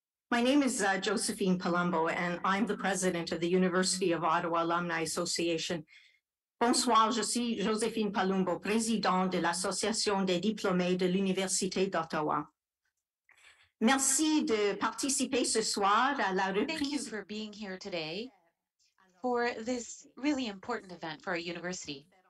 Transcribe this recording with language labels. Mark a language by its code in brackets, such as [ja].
[en] My name is Josephine Palumbo, and I'm the president of the University of Ottawa Alumni Association. [fr] Bonsoir, je suis Josephine Palumbo, président de l'Association des diplômés de l'Université d'Ottawa. Merci de participer ce soir à la reprise. [en] Thank you for being here today for this really important event for our university.